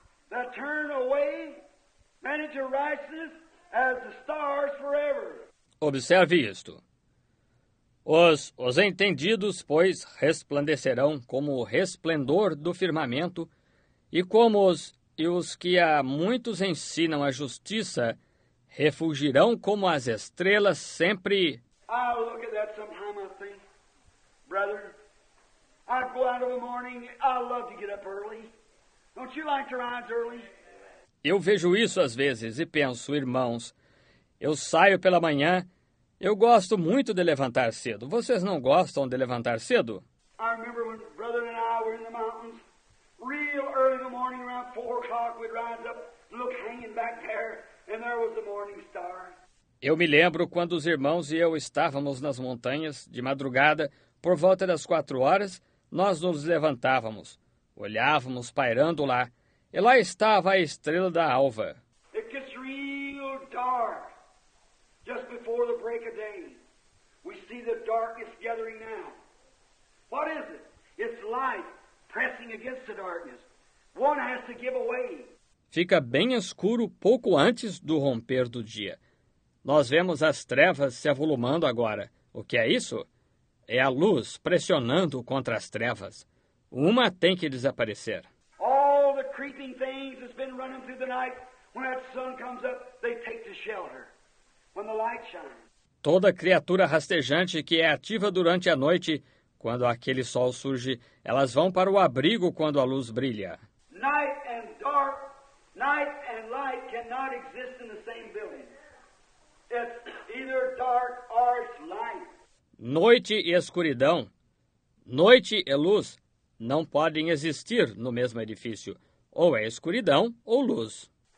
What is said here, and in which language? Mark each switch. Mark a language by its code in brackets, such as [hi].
[en] That turn away many to righteousness as the stars forever. [pt] Observe isto. Os entendidos, pois, resplandecerão como o resplendor do firmamento, e como os que a muitos ensinam a justiça, refulgirão como as estrelas sempre. [en] I'll look at that sometime, I think. Brother, I go out of the morning, I love to get up early. Don't you like to rise early? [pt] Eu vejo isso às vezes e penso, irmãos, eu saio pela manhã, eu gosto muito de levantar cedo. Vocês não gostam de levantar cedo? [en] I remember when brother and I were in the mountains, real early in the morning, around 4 o'clock, we'd rise up, look hanging back there, and there was the morning star. [pt] Eu me lembro quando os irmãos e eu estávamos nas montanhas, de madrugada, por volta das 4 horas, nós nos levantávamos. Olhávamos pairando lá, e lá estava a estrela da alva. [en] It gets real dark just before the break of day. We see the darkness gathering now. What is it? It's light pressing against the darkness. One has to give away. [pt] Fica bem escuro pouco antes do romper do dia. Nós vemos as trevas se avolumando agora. O que é isso? É a luz pressionando contra as trevas. Uma tem que desaparecer. [en] All the creeping things that's been running through the night, when that sun comes up, they take to shelter. When the light shines. [pt] Toda criatura rastejante que é ativa durante a noite, quando aquele sol surge, elas vão para o abrigo quando a luz brilha. [en] Night and dark, night and light cannot exist in the same building. It's either dark or it's light. [pt] Noite e escuridão. Noite e luz. Não podem existir no mesmo edifício. Ou é escuridão ou luz.